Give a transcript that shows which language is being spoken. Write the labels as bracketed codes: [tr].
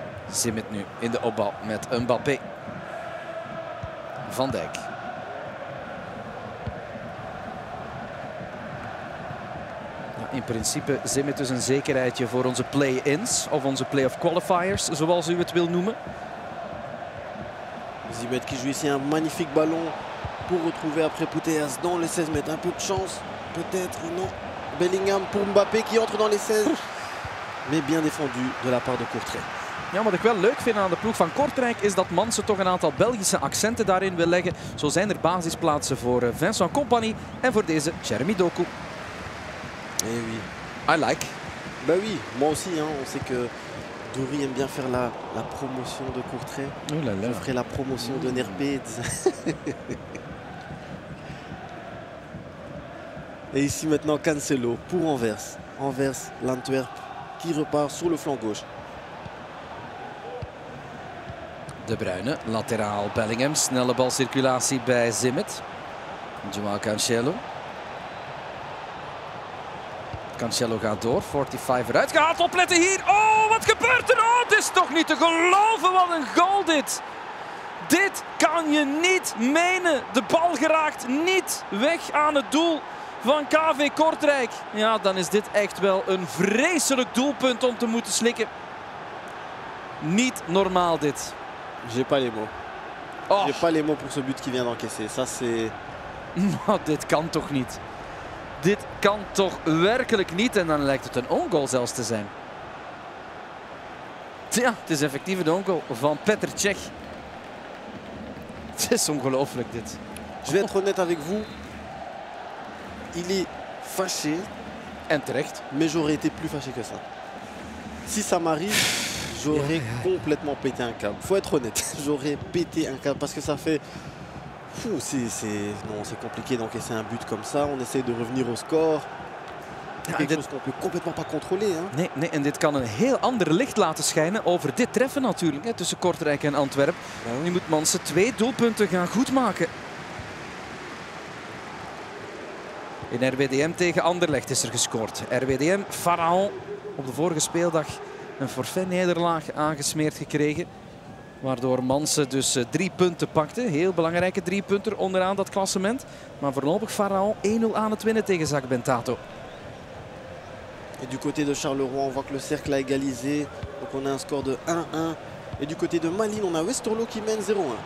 [nl] Zimet nu in de opbouw met Mbappé. Van Dijk. Ja, in principe Zimet dus een zekerheidje voor onze play-ins of onze play-off qualifiers, zoals u het wil noemen. [fr] Zimet qui joue ici un magnifique ballon pour retrouver après Puteas dans les 16 mètres. Un peu de chance, peut-être non. Bellingham pour Mbappé qui entre dans les 16. Mais bien défendu de la part de Courtrai. [nl] Ja, wat ik wel leuk vind aan de ploeg van Kortrijk is dat Mansen toch een aantal Belgische accenten daarin wil leggen. Zo zijn er basisplaatsen voor Vincent Kompany en voor deze Jeremy Doku. [fr] Eh oui. [en] I like. [fr] Ben oui, moi aussi. Hein. On sait que Dury aime bien faire la promotion de Kortrijk. Oh là là. Je ferai la promotion de Nerbet. Et ici maintenant Cancelo pour Anvers. Anvers, l'Antwerp qui repart sur le flanc gauche. [nl] De Bruyne, lateraal Bellingham, snelle balcirculatie bij Zimet. João Cancelo. Cancelo gaat door, 45 eruit gehaald, opletten hier. Oh, wat gebeurt er? Oh, het is toch niet te geloven, wat een goal dit. Dit kan je niet menen. De bal geraakt niet weg aan het doel van KV Kortrijk. Ja, dan is dit echt wel een vreselijk doelpunt om te moeten slikken. Niet normaal dit. [fr] J'ai pas les mots. Oh. J'ai pas les mots pour ce but qui vient d'encaisser. Ça c'est... [nl] Dit kan toch niet. Dit kan toch werkelijk niet. En dan lijkt het een on-goal zelfs te zijn. Ja, het is effectief een on-goal van Petr Cech. Het is ongelooflijk dit. [fr] Je vais être honnête avec vous. Il est fâché. [nl] En terecht. [fr] Mais j'aurais été plus fâché que ça. Si ça m'arrive, j'aurais complètement pété un câble. Faut être honnête. J'aurais pété un câble parce que ça fait... Fou, c'est compliqué d'encaisser un but comme ça. On essaie de revenir au score. Quelque chose qu'on peut complètement pas contrôler. Hein. [nl] Nee, en dit kan een heel ander licht laten schijnen over dit treffen natuurlijk, hè, tussen Kortrijk en Antwerp. Ja. Nu moet Mansen twee doelpunten gaan goedmaken. In RWDM tegen Anderlecht is er gescoord. RWDM, Pharaon, op de vorige speeldag een forfait-nederlaag aangesmeerd gekregen. Waardoor Mansen dus drie punten pakte. Heel belangrijke drie punten onderaan dat klassement. Maar voorlopig Pharaon 1-0 aan het winnen tegen Zak Bentato. [fr] En du côté de Charleroi, on voit que le cercle a égalisé. Donc on a un score de 1-1. En du côté de Malines, on a Westerlo qui mène 0-1.